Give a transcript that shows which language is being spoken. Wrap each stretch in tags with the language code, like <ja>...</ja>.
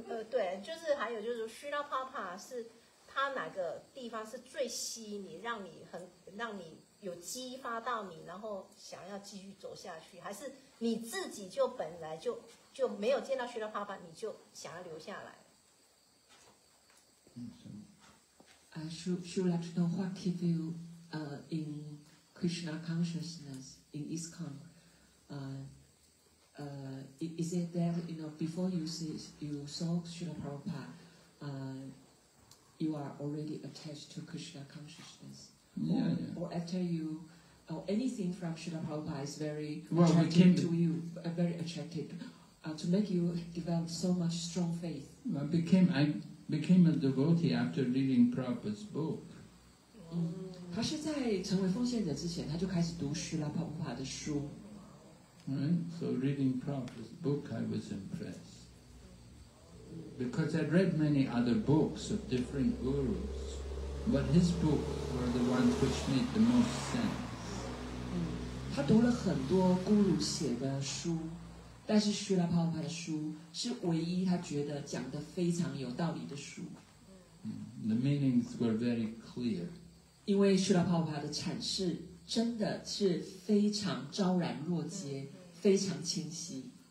<zh>对，就是还有就是虚拉帕帕是他哪个地方是最吸引你，让你有激发到你，然后想要继续走下去，还是你自己就本来就没有见到虚拉帕帕，你就想要留下来？</zh> <en>She would like to know what keep you in Krishna consciousness in ISKCON. Is it that, you know, before you saw Srila Prabhupada, you are already attached to Krishna consciousness? Yeah. Or after you, or anything from Srila Prabhupada is very attractive to you, very attractive, to make you develop so much strong faith. I became a devotee after reading Prabhupada's book.</en> <zh>他是在成为奉献者之前，他就开始读虚拉帕帕的书。</zh> <en>Right, so reading Prabhupada's book, I was impressed because I'd read many other books of different gurus, but his books were the ones which made the most sense.</en> <zh>他读了很多 guru 写的书。但是虚拉帕帕的书是唯一他觉得讲得非常有道理的书。</zh> <en>The meanings were very clear.</en> <zh>因为虚拉帕帕的阐释真的是非常昭然若揭，非常清晰。</zh>